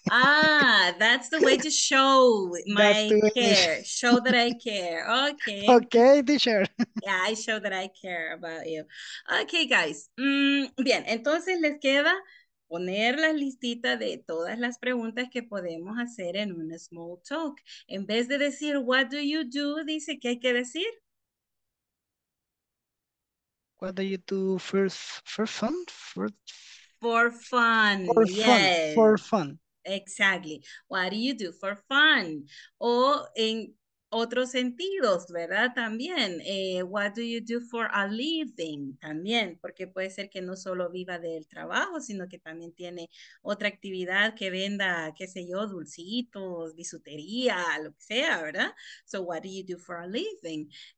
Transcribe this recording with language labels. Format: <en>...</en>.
<en>Ah, that's the way to show my care. Show that I care. Okay. Okay, teacher. Yeah, I show that I care about you. Okay, guys.</en> <es>Bien, entonces les queda poner la listita de todas las preguntas que podemos hacer en un small talk. En vez de decir,</es> <en>what do you do,</en> <es>dice, ¿qué hay que decir?</es> <en>What do you do for fun? For fun, for yes. For fun. Exactly. What do you do for fun?</en> <es>O en otros sentidos, ¿verdad? También,</es> <en>what do you do for a living?</en> <es>También, porque puede ser que no solo viva del trabajo, sino que también tiene otra actividad que venda, qué sé yo, dulcitos, bisutería, lo que sea, ¿verdad?</es> <en>So, what do you do for a living?</en>